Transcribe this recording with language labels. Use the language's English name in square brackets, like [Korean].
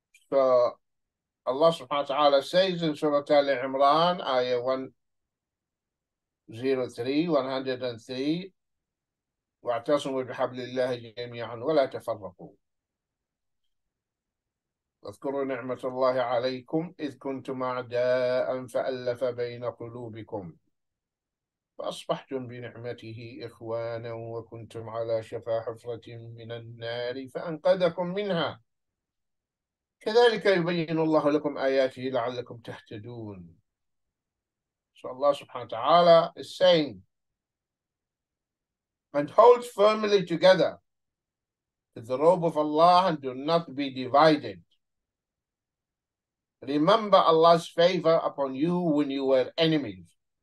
[English] So Allah subhanahu wa ta'ala says in Surah Ali Imran, ayah 103, [Arabic] وَاعْتَصِمُوا بِحَبْلِ اللَّهِ جَمِيعًا وَلَا تَفَرَّقُوا. واذكروا نعمة الله عليكم إذ كنتم أعداء فألف بين قلوبكم فأصبحتم بنعمته إخوانا وكنتم على شفا حفرة من النار فأنقذكم منها كذلك يبين الله لكم آياته لعلكم تهتدون. [English] So Allah subhanahu wa ta'ala is saying, and hold firmly together with the robe of Allah and do not be divided. Remember Allah's favor upon you when you were enemies.